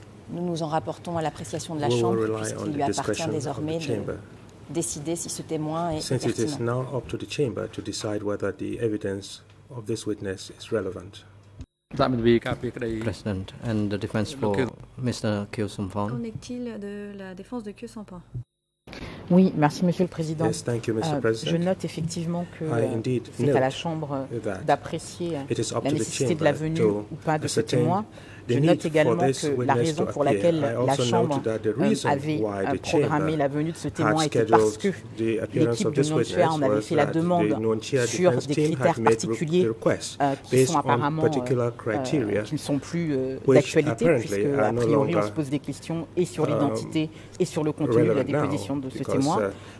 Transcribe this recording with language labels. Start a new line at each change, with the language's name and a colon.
French: Nous nous en rapportons à l'appréciation de la Chambre, puisqu'il lui appartient désormais de décider si ce témoin est pertinent.
English: Since it is now up to the Chamber to decide whether the evidence of this witness is relevant. President, and the defense for Mr. Kyo Sumphong.
French: Qu'en est-il de la défense de Kyo Sumphong? Oui, merci, Monsieur le Président.
English: Yes, thank you, Mr. President.
French: Je note effectivement que c'est à la Chambre d'apprécier la nécessité de la venue ou pas de ce témoin. Je note également que la raison pour laquelle la Chambre avait programmé la venue de ce témoin était parce que l'équipe de Nonchia en avait fait la demande sur des critères particuliers qui ne sont plus d'actualité, puisque, a priori, on se pose des questions et sur l'identité et sur le contenu de la déposition de ce témoin.